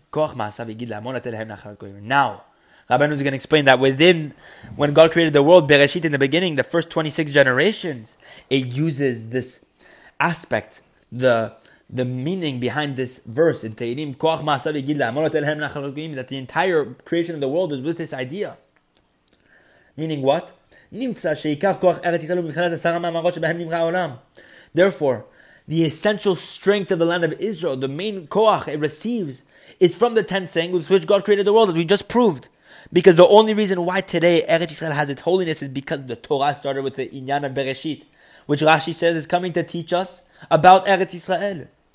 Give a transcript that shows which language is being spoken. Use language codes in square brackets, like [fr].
[en] Now, Rabbeinu is going to explain that within, when God created the world, Bereshit in the beginning, the first 26 generations, it uses this aspect, the meaning behind this verse in Tehillim, [he] Koach ma'asa v'gid la'amon la'tel lahem na'chalat goyim, [en] that the entire creation of the world is with this idea. Meaning what? [he] נמצא שעיקר כוח ארץ ישראל ובכלל עשרה מאמרות שבהם נברא העולם. [en] Therefore, the essential strength of the land of Israel, the main koach it receives, is from the 10 saying with which God created the world, as we just proved. Because the only reason why today Eretz Yisrael has its holiness is because the Torah started with the Inyan of Bereshit, which Rashi says is coming to teach us about Eretz Yisrael.